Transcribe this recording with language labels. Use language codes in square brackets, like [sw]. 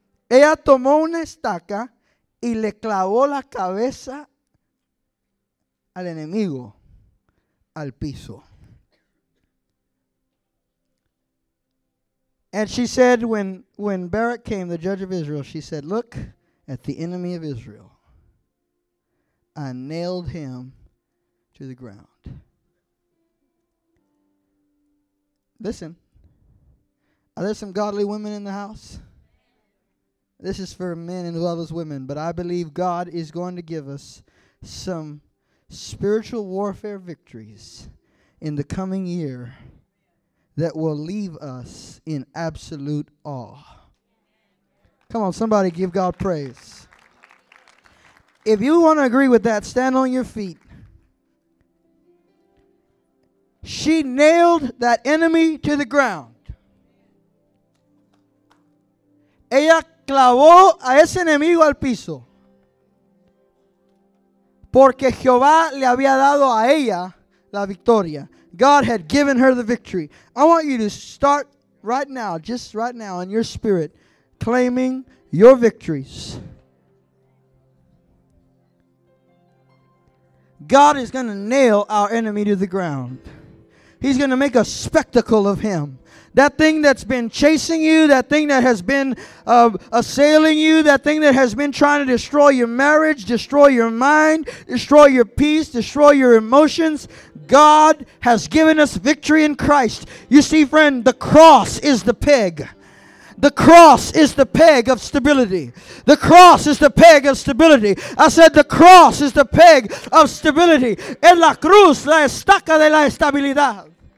[es] Ella tomó una estaca y le clavó la cabeza al enemigo al piso. [en] And she said, when Barak came, the judge of Israel, she said, look at the enemy of Israel. I nailed him to the ground. Listen, are there some godly women in the house? This is for men as well as women, but I believe God is going to give us some spiritual warfare victories in the coming year that will leave us in absolute awe. Come on, somebody give God praise. If you want to agree with that, stand on your feet. She nailed that enemy to the ground. [es] Ella clavó a ese enemigo al piso. Porque Jehová le había dado a ella la victoria. [en] God had given her the victory. I want you to start right now, just right now in your spirit, claiming your victories. God is going to nail our enemy to the ground. He's going to make a spectacle of him. That thing that's been chasing you, that thing that has been assailing you, that thing that has been trying to destroy your marriage, destroy your mind, destroy your peace, destroy your emotions, God has given us victory in Christ. You see, friend, the cross is the peg. The cross is the peg of stability. The cross is the peg of stability. I said the cross is the peg of stability. [es] En la cruz, la estaca de la estabilidad.